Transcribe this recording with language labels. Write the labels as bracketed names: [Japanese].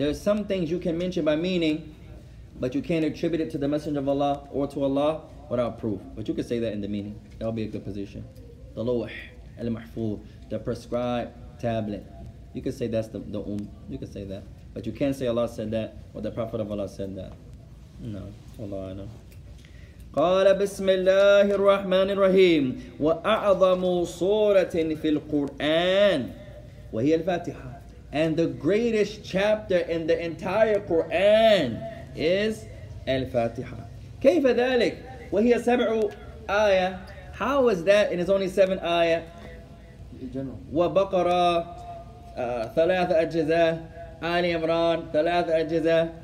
[English] There's some things you can mention by meaning, but you can't attribute it to the Messenger of Allah or to Allah without proof. But you could say that in the meaning. That would be a good position. The Lawh al Mahfuz, the prescribed tablet. You could say that's the You could say that. But you can't say Allah said that or the Prophet of Allah said that. No. Allah, I know. [Arabic] قال بسم الله الرحمن الرحيم وأعظم سورة في القرآن وهي الفاتحة. [English] And the greatest chapter in the entire Quran is Al-Fatiha. [Arabic] كيف ذلك وهي سبع آية. [English] How is that and it's only seven آية. [Arabic] وبقرة ثلاث أجزاء آل عمران ثلاث أجزاء.